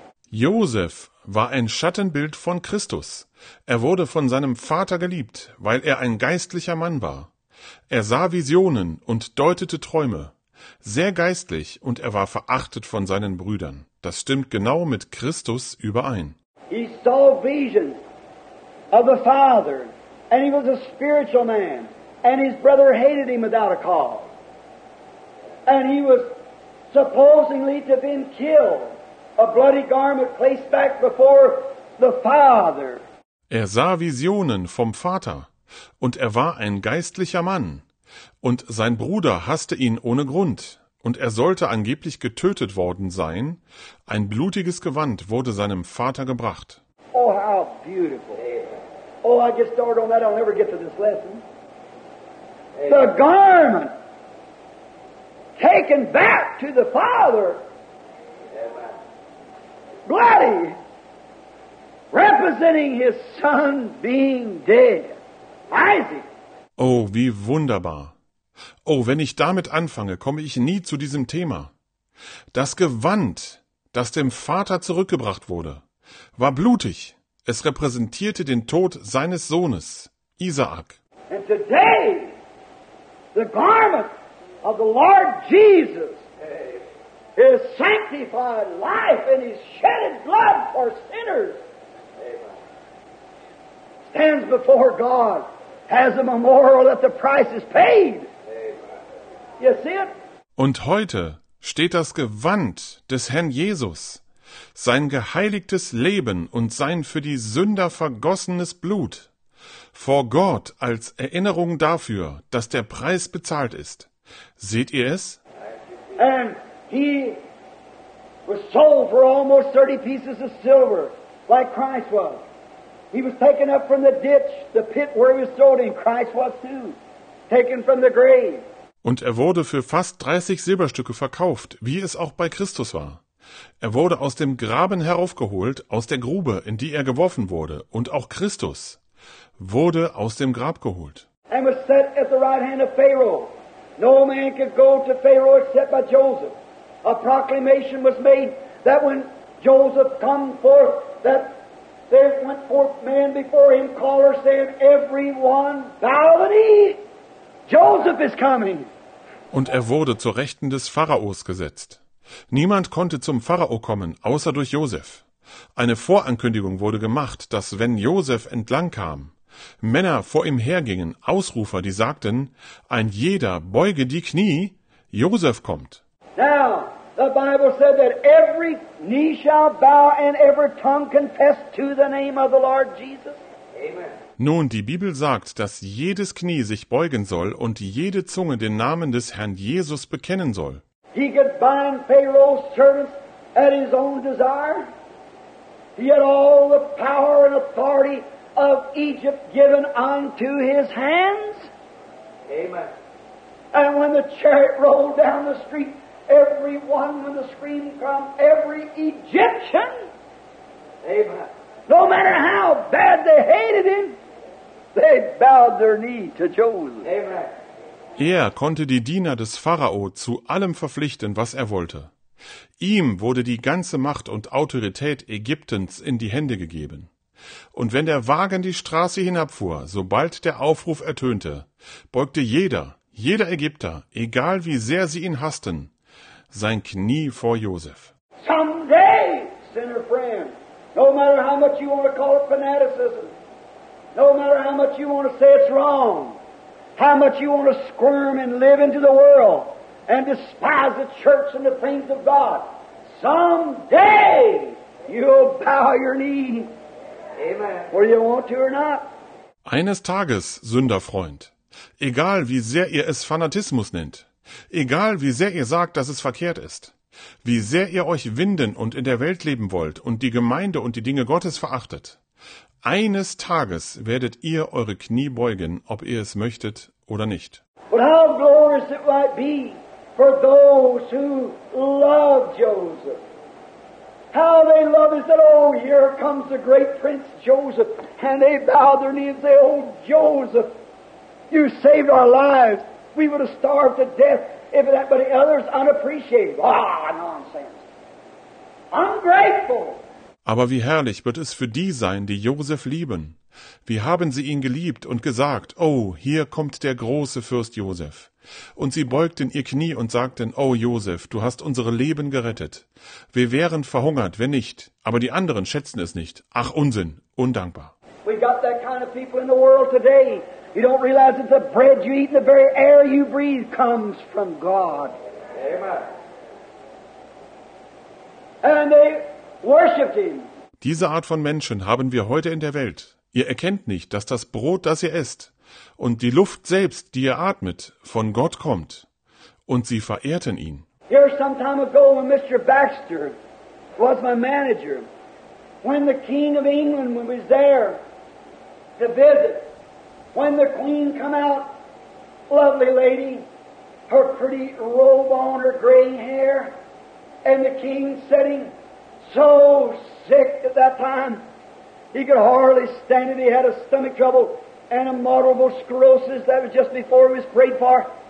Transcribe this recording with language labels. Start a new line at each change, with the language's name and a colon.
German: Joseph war ein Schattenbild von Christus. Er wurde von seinem Vater geliebt, weil er ein geistlicher Mann war. Er sah Visionen und deutete Träume. Sehr geistlich, und er war verachtet von seinen Brüdern. Das stimmt genau mit Christus überein.
English: He saw visions of the Father, and he was a spiritual man, and his brother hated him without a cause. And he was supposedly to have been killed, a bloody garment placed back before the Father.
German: Er sah Visionen vom Vater, und er war ein geistlicher Mann, und sein Bruder hasste ihn ohne Grund, und er sollte angeblich getötet worden sein. Ein blutiges Gewand wurde seinem Vater gebracht.
English: Oh, how beautiful. Oh, I just started on that, I'll never get to this lesson. The garment taken back to the Father, bloody, representing his son being dead, Isaac.
German: Oh, wie wunderbar. Oh, wenn ich damit anfange, komme ich nie zu diesem Thema. Das Gewand, das dem Vater zurückgebracht wurde, war blutig. Es repräsentierte den Tod seines Sohnes, Isaac.
English: And today, the garment of the Lord Jesus, his sanctified life and his shedded blood for sinners, stands before God as a memorial that the price is paid. You see it?
German: Und heute steht das Gewand des Herrn Jesus, sein geheiligtes Leben und sein für die Sünder vergossenes Blut, vor Gott als Erinnerung dafür, dass der Preis bezahlt ist. Seht ihr es?
English: And he was sold for almost 30 pieces of silver, like Christ was. He was taken up from the ditch, the pit where he was thrown in. Christ was too, taken from the grave.
German: Und er wurde für fast 30 Silberstücke verkauft, wie es auch bei Christus war. Er wurde aus dem Graben heraufgeholt, aus der Grube, in die er geworfen wurde. Und auch Christus wurde aus dem Grab geholt.
English: And was set at the right hand of Pharaoh. No man could go to Pharaoh except by Joseph. A proclamation was made that when Joseph come forth, that there went forth man before him, caller saying, everyone bow the knee, Joseph is coming.
German: Und er wurde zur Rechten des Pharaos gesetzt. Niemand konnte zum Pharao kommen, außer durch Joseph. Eine Vorankündigung wurde gemacht, dass wenn Joseph entlang kam, Männer vor ihm hergingen, Ausrufer, die sagten, ein jeder beuge die Knie, Joseph kommt.
English: Now, the Bible said that every knee shall bow and every tongue confess to the name of the Lord Jesus. Amen.
German: Nun, die Bibel sagt, dass jedes Knie sich beugen soll und jede Zunge den Namen des Herrn Jesus bekennen soll.
English: He could bind Pharaoh's servants at his own desire. He had all the power and authority of Egypt given unto his hands. Amen. And when the chariot rolled down the street, everyone with a scream from every Egyptian. Amen. No matter how bad they hated him, they bowed their knee to Joseph. Amen.
German: Er konnte die Diener des Pharao zu allem verpflichten, was er wollte. Ihm wurde die ganze Macht und Autorität Ägyptens in die Hände gegeben. Und wenn der Wagen die Straße hinabfuhr, sobald der Aufruf ertönte, beugte jeder Ägypter, egal wie sehr sie ihn hassten, sein Knie vor Josef.
English: Someday, sinner friend, no matter how much you want to call it fanaticism, no matter how much you want to say it's wrong, how much you want to squirm and live into the world and despise the church and the things of God, someday you'll bow your knee. Amen. Whether you want to or not.
German: Eines Tages, Sünderfreund, egal wie sehr ihr es Fanatismus nennt, egal wie sehr ihr sagt, dass es verkehrt ist, wie sehr ihr euch winden und in der Welt leben wollt und die Gemeinde und die Dinge Gottes verachtet, eines Tages werdet ihr eure Knie beugen, ob ihr es möchtet oder nicht.
English: But how glorious it might be for those who love Joseph. How they love is that, oh, here comes the great Prince Joseph. And they bow their knees and say, oh, Joseph, you saved our lives. We would have starved to death if that, but the others unappreciated. Ah, nonsense. Ungrateful.
German: Aber wie herrlich wird es für die sein, die Josef lieben. Wie haben sie ihn geliebt und gesagt, oh, hier kommt der große Fürst Josef. Und sie beugten ihr Knie und sagten, oh, Josef, du hast unsere Leben gerettet. Wir wären verhungert, wenn nicht. Aber die anderen schätzen es nicht. Ach, Unsinn, undankbar.
English: We've got that kind of people in the world today. You don't realize that the bread you eat and the very air you breathe comes from God. Amen. And they worshiped him.
German: Diese Art von Menschen haben wir heute in der Welt. Ihr erkennt nicht, dass das Brot, das ihr esst, und die Luft selbst, die ihr atmet, von Gott kommt. Und sie verehrten ihn.
English: Here some time ago when Mr. Baxter was my manager, when the King of England was there to visit, when the Queen come out, lovely lady, her pretty robe on, her gray hair, and the King sitting so sick at that time, he could hardly stand it. He had a stomach trouble and a multiple sclerosis that was just before he was prayed for.